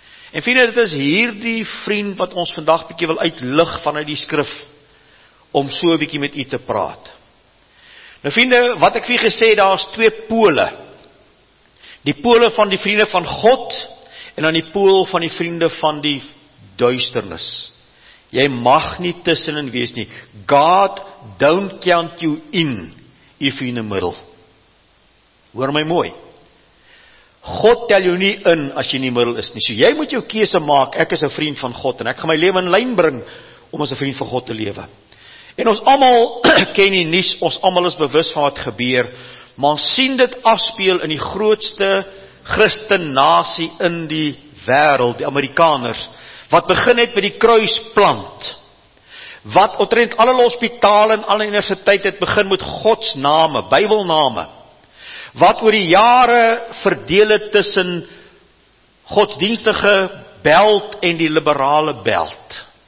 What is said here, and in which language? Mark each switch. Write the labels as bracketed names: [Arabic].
[Afrikaans] En vriende, dit is hierdie vriend wat ons vandag bietjie wil uitlig vanuit die skrif, om so bietjie met u te praat. Nou vriende, wat ek vir u gesê, daar is twee pole. Die pole van die vriende van God, en dan die pool van die vriende van die duisternis. Jy mag nie tussenin wees nie. [English] God don't count you in, if you in the middle. [Afrikaans] Hoor my mooi. God tel jou nie in, as jy in die middel is nie. So jy moet jou keuse maak, ek is 'n vriend van God, en ek gaan my lewe in lyn bring, om as 'n vriend van God te lewe. En ons allemaal ken die nuus, ons allemaal is bewus van wat gebeur, maar sien dit afspeel in die grootste Christennasie in die wêreld, die Amerikaners, wat begin het met die kruisplant, wat omtrent alle hospitale en alle universiteite het begin met Gods name, Bybelname, wat oor die jare verdeel het tussen godsdienstige belt en die liberale belt.